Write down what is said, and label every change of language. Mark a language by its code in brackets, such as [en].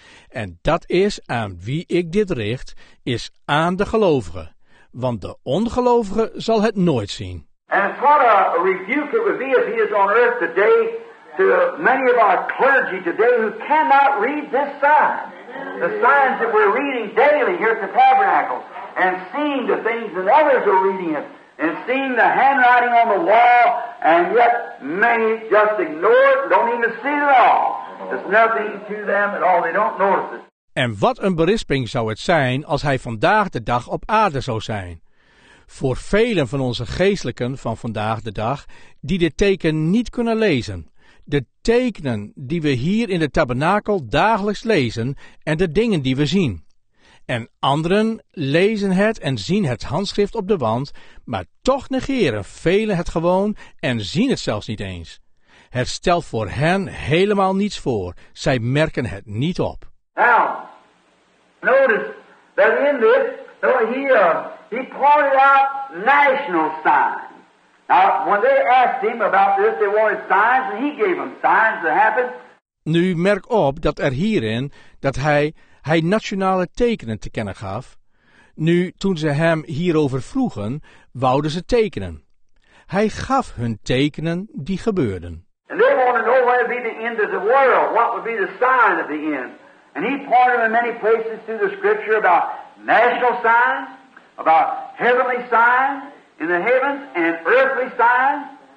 [nl] En dat is aan wie ik dit richt, is aan de gelovigen, want de ongelovige zal het nooit zien. [en] And what a rebuke it would be if he is on earth today to many of our clergy today who cannot read this sign. The signs that we're reading daily here at the tabernacle and seeing the things that others are reading it and seeing the handwriting on the wall, and yet many just ignore it, don't even see it at all. It's nothing to them at all, they don't notice it. [nl] En wat een berisping zou het zijn als hij vandaag de dag op aarde zou zijn. Voor velen van onze geestelijken van vandaag de dag die dit teken niet kunnen lezen. De tekenen die we hier in de tabernakel dagelijks lezen en de dingen die we zien. En anderen lezen het en zien het handschrift op de wand, maar toch negeren velen het gewoon en zien het zelfs niet eens. Het stelt voor hen helemaal niets voor, zij merken het niet op. [en] Now, notice that in this, he pointed out national signs. Now, when they asked him about this, they wanted signs, and he gave them signs that happened. [nl] Nu merk op dat er hierin, dat hij nationale tekenen te kennen gaf. Nu, toen ze hem hierover vroegen, wouden ze tekenen. Hij gaf hun tekenen die gebeurden. [en] And they wanted to know what would be the end of the world, what would be the sign of the end. And he pointed in many places through the scripture about national signs, about heavenly signs in the heavens, and earthly signs.